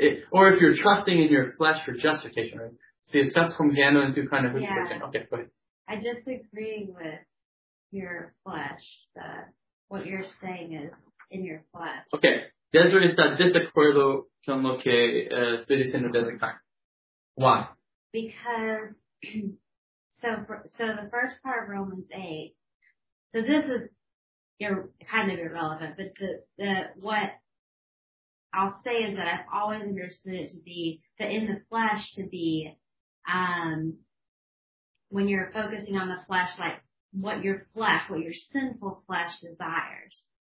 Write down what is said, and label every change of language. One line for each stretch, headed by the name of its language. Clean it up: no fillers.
English: Or if you're trusting in your flesh for justification, right?
Spanish: Si estás confiando en tu carne en sanctificación.
English: Okay, go ahead. I disagree with your flesh, what you're saying is in your flesh. Okay.
Spanish: Desiree está desacuerdo con lo que estoy diciendo desde carne.
English: Why? Because, so the first part of Romans 8, so this is kind of irrelevant, but the what I'll say is that I've always understood it to be, that in the flesh to be, when you're focusing on the flesh, like what your flesh, what your sinful flesh desires.